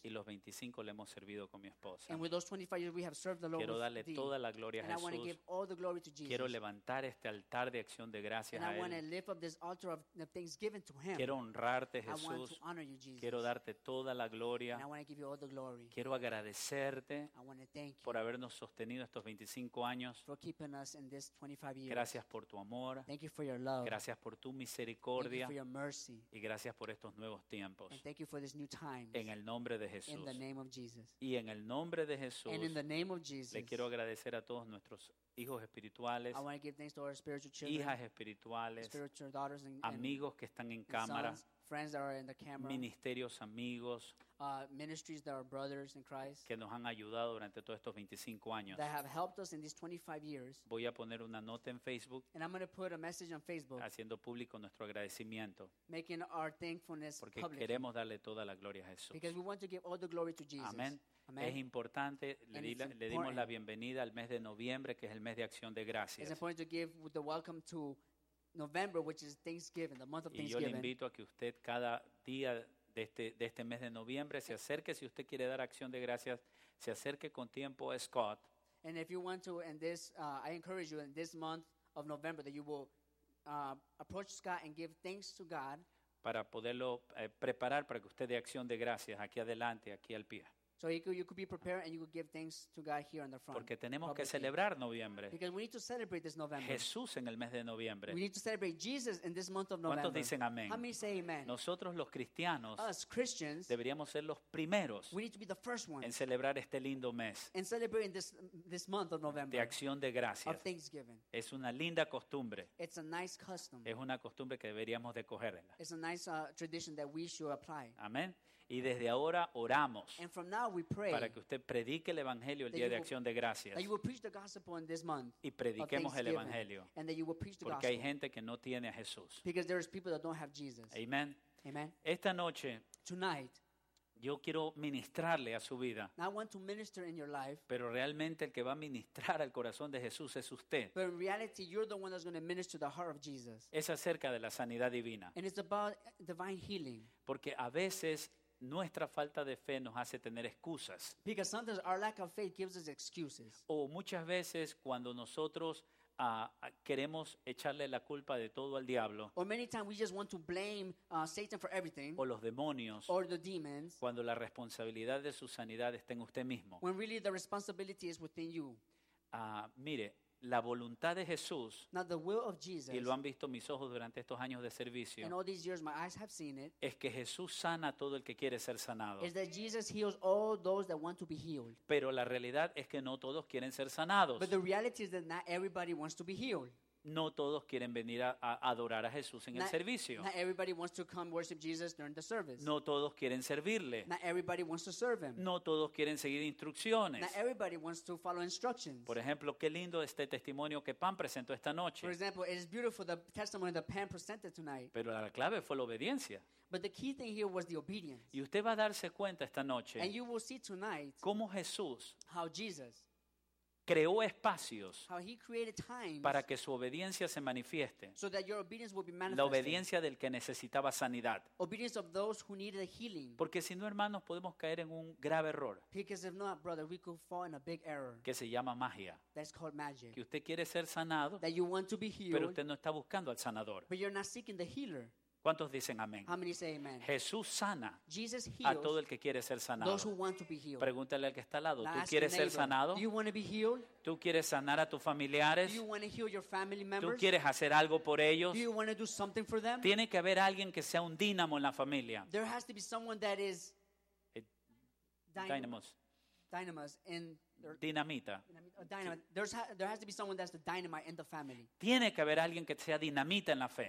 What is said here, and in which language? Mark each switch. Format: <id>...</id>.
<es>Y los 25 le hemos servido con mi esposa.</es> <en>And with those 25 years we have served the Lord.</en> <es>Quiero darle toda la gloria a Jesús.</es> <en>And I want to give all the glory to Jesus.</en> <es>Quiero levantar este altar de acción de gracias a él.</es> <en>And I want to lift up this altar of thanksgiving to him.</en> <es>Quiero honrarte, Jesús.</es> <en>I want to honor you, Jesus.</en> <es>Quiero darte toda la gloria.</es> <en>And I want to give you all the glory.</en> <es>Quiero agradecerte.</es> <en>I want to thank you.</en> <es>Por haber nos sostenido estos 25 años.</es> <en>For keeping us in this 25 years.</en> <es>Gracias por tu amor.</es> <en>Thank you for your love.</en> <es>Gracias por tu misericordia.</es> <en>Thank you for your mercy.</en> <es>Y gracias por estos nuevos tiempos.</es> <en>And thank you for this new times.</en> <es>En el nombre de Jesús.</es> <en>In the name of Jesus.</en> <es>Y en el nombre de Jesús.</es> <en>And in the name of Jesus.</en> <es>Le quiero agradecer a todos nuestros hijos espirituales.</es> <en>I want to give thanks to our spiritual children.</en> <es>Hijas espirituales.</es> <en>Spiritual daughters and</en> <es>amigos que están en cámara.</es> <en>Friends that are in the camera.</en> <es>Ministerios amigos.</es> <en>Ministries that are brothers in Christ</en> <es>que nos han ayudado durante todos estos 25 años.</es> <en>That have helped us in these 25 years.</en> <es>Voy a poner una nota en Facebook.</es> <en>And I'm going to put a message on Facebook.</en> <es>Haciendo público nuestro agradecimiento.</es> <en>Making our thankfulness</en> <es>porque</es> <en>public.</en> <es>Porque queremos darle toda la gloria a Jesús.</es> <en>Because we want to give all the glory to Jesus.</en> <es>Amén.</es> <en>Amen.</en> <es>Es importante, le dimos la bienvenida al mes de noviembre, que es el mes de acción de gracias.</es> <en>It's important to give the welcome to November, which is Thanksgiving, the month of Thanksgiving.</en> <es>Y yo le invito a que usted cada día de este mes de noviembre se acerque, si usted quiere dar acción de gracias, se acerque con tiempo a Scott.</es> <en>And if you want to, in this, I encourage you in this month of November that you will approach Scott and give thanks to God.</en> <es>Para poderlo preparar para que usted dé acción de gracias aquí adelante, aquí al pie.</es> <en>So you could be prepared and you could give thanks to God here on the front.</en> <es>Porque tenemos publicly. Que celebrar noviembre.</es> <en>Because we need to celebrate this November.</en> <es>Jesús en el mes de noviembre.</es> <en>We need to celebrate Jesus in this month of November.</en> <es>¿Cuántos dicen amén?</es> <en>How many say amen?</en> <es>Nosotros los cristianos,</es> <en>us Christians,</en> <es>deberíamos ser los primeros.</es> <en>We need to be the first ones.</en> <es>En celebrar este lindo mes.</es> <en>In celebrating this month of November.</en> <es>De acción de gracias.</es> <en>Of Thanksgiving.</en> <es>Es una linda costumbre.</es> <en>It's a nice custom.</en> <es>Es una costumbre que deberíamos de cogerla.</es> <en>It's a nice tradition that we should apply.</en> <es>Amén. Y desde ahora oramos</es> <en>pray,</en> <es>para que usted predique el Evangelio el día de Acción de Gracias y prediquemos el Evangelio porque hay gente que no tiene a Jesús. Amén. Esta noche</es> <en>tonight,</en> <es>yo quiero ministrarle a su vida.</es> <en>I want to in your life,</en> <es>pero realmente el que va a ministrar al corazón de Jesús es usted.</es> <en>But in reality, you're the one that's going to minister the heart of Jesus.</en> <es>Es acerca de la sanidad divina.</es> <en>And it's about divine healing.</en> <es>Porque a veces nuestra falta de fe nos hace tener excusas.</es> <en>Because sometimes our lack of faith gives us excuses.</en> <es>O muchas veces cuando nosotros queremos echarle la culpa de todo al diablo.</es> <en>Or many times we just want to blame Satan for everything.</en> <es>O los demonios.</es> <en>Or the demons.</en> <es>Cuando la responsabilidad de su sanidad está en usted mismo.</es> <en>When really the responsibility is within you.</en> <es>Mire, la voluntad de Jesús.</es> <en>Now the will of Jesus,</en> <es>y lo han visto mis ojos durante estos años de servicio.</es> <en>And all these years my eyes have seen it,</en> <es>es que Jesús sana a todo el que quiere ser sanado.</es> <en>Is that Jesus heals all those that want to be healed.</en> <es>Pero la realidad es que no todos quieren ser sanados.</es> <en>But the reality is that not everybody wants to be healed.</en> <es>No todos quieren venir a adorar a Jesús en</es> <en>not,</en> <es>el servicio.</es> <en>Not everybody wants to come worship Jesus during the service.</en> <es>No todos quieren servirle.</es> <en>Not everybody wants to serve him.</en> <es>No todos quieren seguir instrucciones.</es> <en>Not everybody wants to follow instructions.</en> <es>Por ejemplo, qué lindo este testimonio que Pam presentó esta noche.</es> <en>For example, it is beautiful the testimony that Pam presented tonight.</en> <es>Pero la clave fue la obediencia.</es> <en>But the key thing here was the obedience.</en> <es>Y usted va a darse cuenta esta noche.</es> <en>And you will see tonight</en> <es>cómo Jesús,</es> <en>how Jesus,</en> <es>creó espacios</es> <en>how he created times</en> <es>para que su obediencia se manifieste.</es> <en>So that your obedience will be manifested.</en> <es>La obediencia del que necesitaba sanidad.</es> <en>Obedience of those who needed healing.</en> <es>Porque si no, hermanos, podemos caer en un grave error.</es> <en>Because if not, brother, we could fall in a big error.</en> <es>Que se llama magia.</es> <en>That's called magic.</en> <es>Que usted quiere ser sanado.</es> <en>That you want to be healed.</en> <es>Pero usted no está buscando al sanador.</es> <en>But you're not seeking the healer.</en> <es>¿Cuántos dicen amén?</es> <en>How many say amen?</en> <es>Jesús sana</es> <en>Jesus heals</en> <es>a todo el que quiere ser sanado.</es> <en>Those who want to be healed.</en> <es>Pregúntale al que está al lado, ¿tú quieres ser sanado?</es> <en>Do you want to be healed?</en> <es>¿Tú quieres sanar a tus familiares?</es> <en>Do you want to heal your family members?</en> <es>¿Tú quieres hacer algo por ellos?</es> <en>Do you want to do something for them?</en> <es>Tiene que haber alguien que sea un dínamo en la familia.</es> <en>There has to be someone that is dynamos. Dynamos in</en> <es>dinamita.</es> <en>Dynamite. There has to be someone that's the dynamite in the family.</en> <es>Tiene que haber alguien que sea dinamita en la fe.</es>